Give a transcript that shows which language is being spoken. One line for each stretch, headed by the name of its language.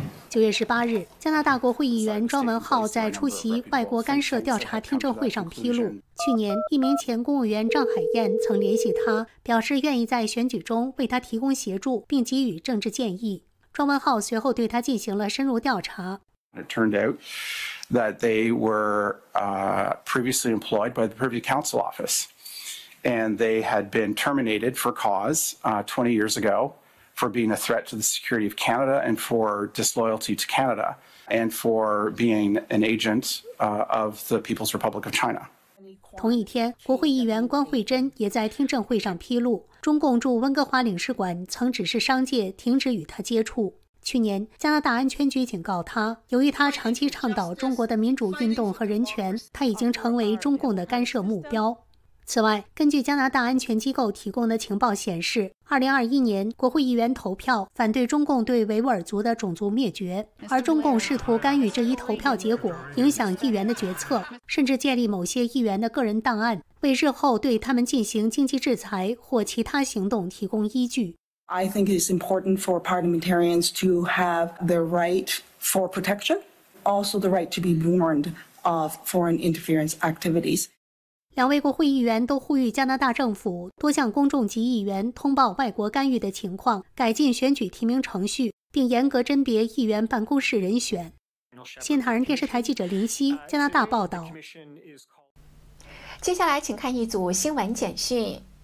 Chinese: 9月18日，加拿大国会议员庄文浩在出席外国干涉调查听证会上披露，去年一名前公务员张海燕曾联系他，表示愿意在选举中为他提供协助并给予政治建议。庄文浩随后对他进行了深入调查。
English: It turned out that they were previously employed by the Privy Council Office, and they had been terminated for cause 20 years ago for being a threat to the security of Canada and for disloyalty to Canada and for being an agent of the People's Republic of China.
Chinese: 同一天，国会议员关慧珍也在听证会上披露，中共驻温哥华领事馆曾指示商界停止与他接触。去年，加拿大安全局警告他，由于他长期倡导中国的民主运动和人权，他已经成为中共的干涉目标。此外，根据加拿大安全机构提供的情报显示，2021年国会议员投票反对中共对维吾尔族的种族灭绝，而中共试图干预这一投票结果，影响议员的决策，甚至建立某些议员的个人档案，为日后对他们进行经济制裁或其他行动提供依据。
English: I think it's important for parliamentarians to have the right for protection, also the right to be warned of foreign interference activities.
Chinese: 两位国会议员都呼吁加拿大政府多向公众及议员通报外国干预的情况，改进选举提名程序，并严格甄别议员办公室人选。新唐人电视台记者林希，加拿大报道。接下来请看一组新闻简讯。